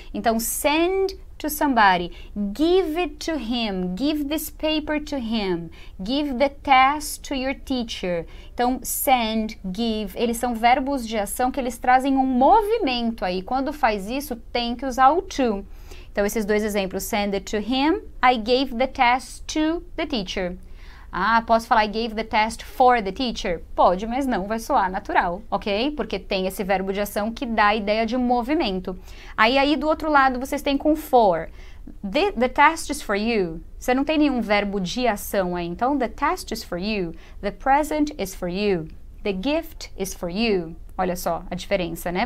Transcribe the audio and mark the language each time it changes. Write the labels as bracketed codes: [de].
[en] Então, send to somebody. Give it to him. Give this paper to him. Give the test to your teacher. [pt] Então, send, give, eles são verbos de ação que eles trazem um movimento aí. Quando faz isso, tem que usar o to. Então, esses dois exemplos, [en] send it to him, I gave the test to the teacher. [pt] Ah, posso falar [en] I gave the test for the teacher? [pt] Pode, mas não vai soar natural, ok? Porque tem esse verbo de ação que dá a ideia de movimento. Aí do outro lado, vocês têm com for. [en] The test is for you. [pt] Você não tem nenhum verbo de ação aí. [en] Então, the test is for you. The present is for you. The gift is for you. [pt] Olha só a diferença, né?